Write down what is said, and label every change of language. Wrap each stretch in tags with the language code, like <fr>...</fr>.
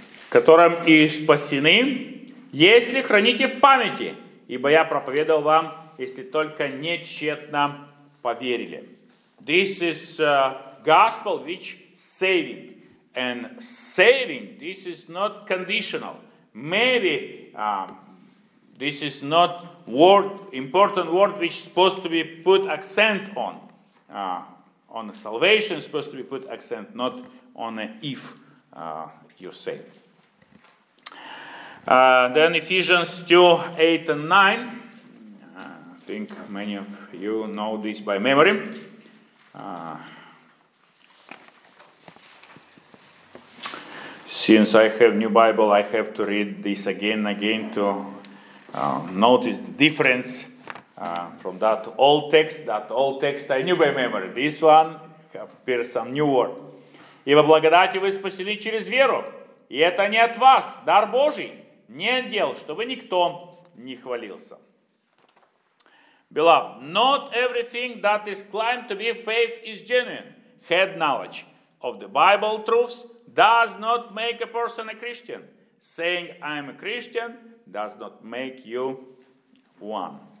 <ru>Которым и спасены, если храните в памяти, ибо я проповедовал вам, если только не тщетно поверили.</ru> <en>This is gospel which saving, and saving, this is not conditional. Maybe this is not word, important word which is supposed to be put accent on salvation, supposed to be put accent not on if you say. Then Ephesians 2:8 and 9. I think many of you know this by memory. Since I have new Bible, I have to read this again and again to notice the difference from that old text. That old text I knew by memory. This one appears some new word.</en> <ru>Ибо благодать вы спасены через веру, и это не от вас, дар Божий, не от дел, чтобы никто не хвалился.</ru> <en>Beloved, not everything that is claimed to be faith is genuine. Head knowledge of the Bible truths does not make a person a Christian. Saying I am a Christian does not make you one.</en>